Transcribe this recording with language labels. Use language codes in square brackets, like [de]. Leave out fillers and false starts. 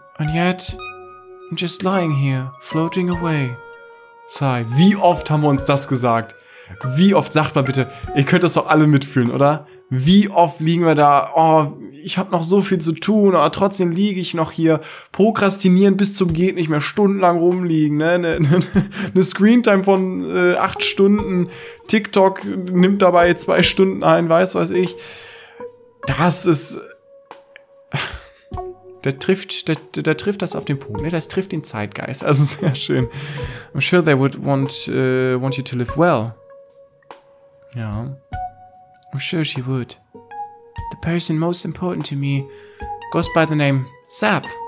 [en] And yet, I'm just lying here, floating away. [de] Sai, wie oft haben wir uns das gesagt? Wie oft, sagt mal bitte, ihr könnt das doch alle mitfühlen, oder? Wie oft liegen wir da, oh, ich habe noch so viel zu tun, aber trotzdem liege ich noch hier, prokrastinieren bis zum geht nicht mehr, stundenlang rumliegen, ne? Eine Screentime von 8 Stunden, TikTok nimmt dabei 2 Stunden ein, weiß ich. Das ist, der trifft das auf den Punkt, ne? Das trifft den Zeitgeist, also sehr schön. [en] I'm sure they would want you to live well. [de] Ja. [en] I'm sure she would. The person most important to me goes by the name Sap.